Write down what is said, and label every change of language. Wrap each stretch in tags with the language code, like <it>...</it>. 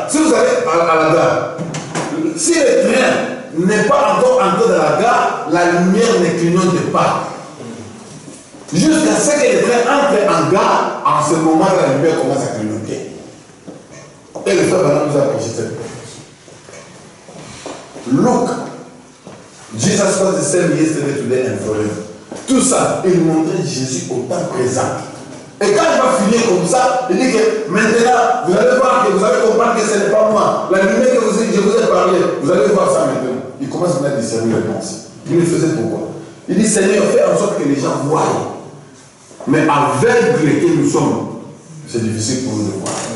<fr>Si vous allez à la gare, si le train n'est pas encore en train de la gare, la lumière ne clignote pas. Jusqu'à ce que le train entre en gare, à ce moment la lumière commence à clignoter. Et le frère Branham nous a prêché cette prophétie.</fr> <en>Look, Jesus was the same yesterday, today and forever.</en> <fr>Tout ça, il montrait Jésus au temps présent. Et quand il va finir comme ça, il dit que maintenant, vous allez voir que vous allez comprendre que ce n'est pas moi. La lumière que vous, je vous ai parlé, vous allez voir ça maintenant. Il commence à discerner les pensées. Il le faisait pourquoi? Il dit, Seigneur, fais en sorte que les gens voient. Mais aveugle que nous sommes, c'est difficile pour nous de voir.</fr>